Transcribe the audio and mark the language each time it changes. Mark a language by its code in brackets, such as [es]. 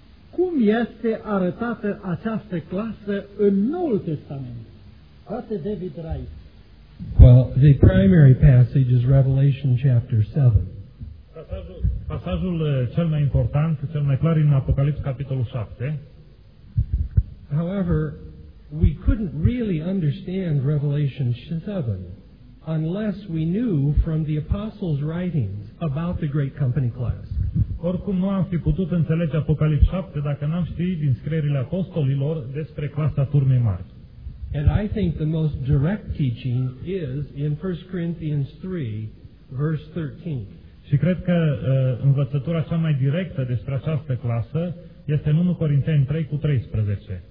[ro] Cum este arătată această clasă în Noul Testament? Frate David Wright. [en] Well, the primary passage is Revelation chapter 7. [ro] Pasajul cel mai important, cel mai clar, în Apocalipsa capitolul 7. [en] However, we couldn't really understand Revelation 7. Unless we knew from the apostles' writings about the great company class. [ro] Oricum nu am fi putut înțelege Apocalipsa 7 dacă n-am ști din scrierile apostolilor despre clasa turmei mari. [en] And I think the most direct teaching is in 1 Corinthians 3 verse 13. [ro] Și cred că învățătura cea mai directă despre această clasă este în 1 Corinteni 3 cu 13.